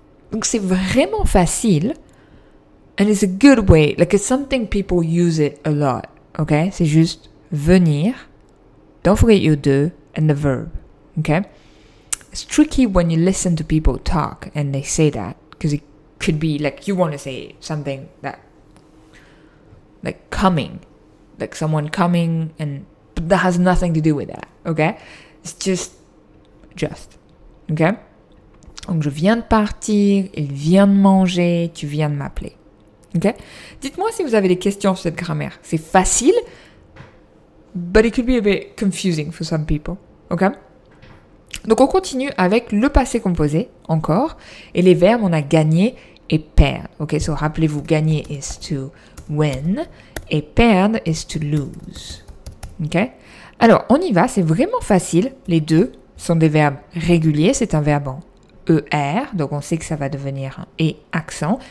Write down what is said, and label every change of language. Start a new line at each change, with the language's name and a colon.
French: Donc c'est vraiment facile.
English: And it's a good way, like it's something people use it a lot. Ok, c'est juste venir, don't forget your de, and the verb, ok? It's tricky when you listen to people talk and they say that, because it could be like you want to say something that, like coming, like someone coming, and but that has nothing to do with that, ok? It's just, ok?
French: Donc je viens de partir, il vient de manger, tu viens de m'appeler. Ok, dites-moi si vous avez des questions sur cette grammaire.
English: C'est facile, but it could be a bit confusing for some people.
French: Ok, donc on continue avec le passé composé encore et les verbes on a gagné et perdre.
English: Ok, so rappelez-vous, gagner is to win et perdre is to lose.
French: Ok, alors on y va, c'est vraiment facile. Les deux sont des verbes réguliers, c'est un verbe en er, donc on sait que ça va devenir un e accent.